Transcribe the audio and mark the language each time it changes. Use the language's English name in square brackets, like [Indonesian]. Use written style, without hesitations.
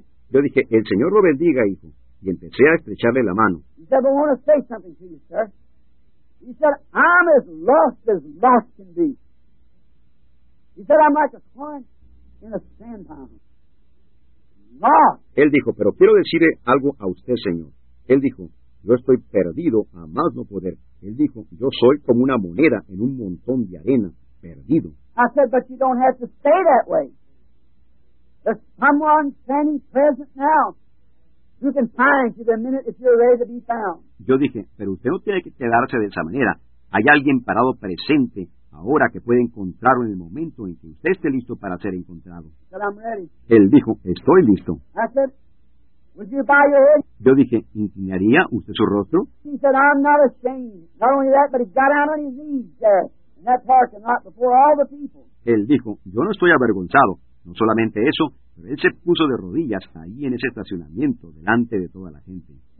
[Spanish] Yo dije, el Señor lo bendiga, hijo. Y empecé a estrecharle la mano. [English] He said, I want to say something to you, sir. He said, I'm as lost can be. He said, I'm like a coin in a sand pile. Lost. [Spanish] Él dijo, pero quiero decirle algo a usted, señor. Él dijo, yo estoy perdido a más no poder. Él dijo, yo soy como una moneda en un montón de arena, perdido. [English] I said, but you don't have to stay that way. There's someone standing present now. You can find you the minute if you're ready to be found. [Spanish] Yo dije, pero usted no tiene que quedarse de esa manera. Hay alguien parado presente ahora que puede encontrarlo en el momento en que usted esté listo para ser encontrado. [English] But I'm ready. [Spanish] Él dijo, estoy listo. [English] I said, would you bow your head? [Spanish] Yo dije, ¿inclinaría usted su rostro? [English] He said, I'm not ashamed. Not only that, but he got out on his knees there in that parking lot before all the people. [Spanish] Él dijo, yo no estoy avergonzado. No solamente eso, pero él se puso de rodillas ahí en ese estacionamiento delante de toda la gente.